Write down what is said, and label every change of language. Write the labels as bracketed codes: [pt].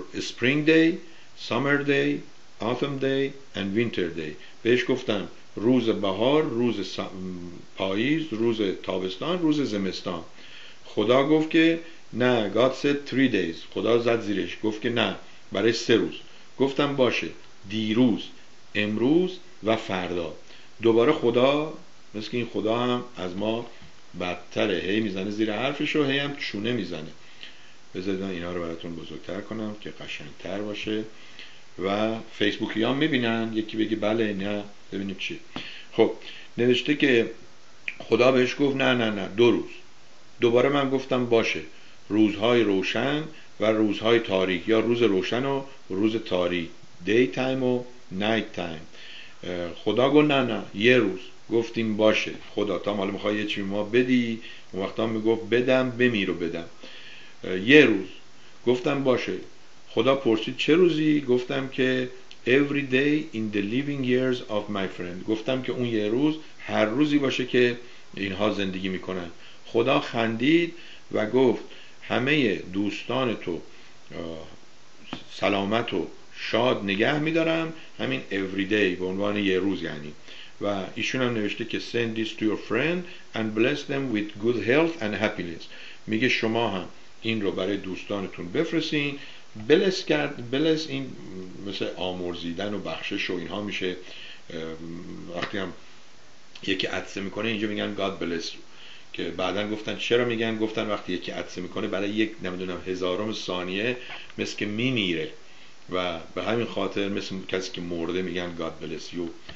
[en] Spring day, summer day, autumn day and winter day. [fa] بهش گفتم روز بهار، روز پاییز، روز تابستان، روز زمستان. خدا گفت که نه، [en] God said 3 days. [fa] خدا زد زیرش گفت که نه، برای 3 روز. گفتم باشه، دیروز، امروز و فردا. دوباره خدا، مثل این خدا هم از ما بدتره، هی میزنه زیر حرفش و هی هم چونه میزنه. بذارید من اینا رو براتون بزرگتر کنم که قشنگتر باشه و فیسبوکی ها میبینن، یکی بگی بله نه ببینیم چی. خب نوشته که خدا بهش گفت نه نه نه 2 روز. دوباره من گفتم باشه، روزهای روشن و روزهای تاریک، یا روز روشن و روز تاریک، [en] day time و night time. [fa] خدا گفت نه نه 1 روز. گفتیم باشه خدا، تا مال میخوای یه چیزی ما بدی؟ اون وقتا میگفت بدم، بمیر و بدم. 1 روز. گفتم باشه. خدا پرسید چه روزی؟ گفتم که [en] every day in the living years of my friend. [fa] گفتم که اون 1 روز هر روزی باشه که اینها زندگی میکنن. خدا خندید و گفت همه دوستان تو سلامت و شاد نگه میدارم، همین every day به عنوان 1 روز یعنی. و ایشون هم نوشته که [en] send this to your friend and bless them with good health and happiness. [fa] میگه شما هم این رو برای دوستانتون بفرستین، بلس کرد، بلس این مثل آمرزیدن و بخشش و اینها میشه، وقتی هم یکی عطسه میکنه اینجا میگن [en] God bless you. [fa] که بعدن گفتن چرا میگن، گفتن وقتی یکی عطسه میکنه برای یک نمیدونم هزارم ثانیه مثل که میمیره و به همین خاطر مثل کسی که مرده میگن [en] God bless you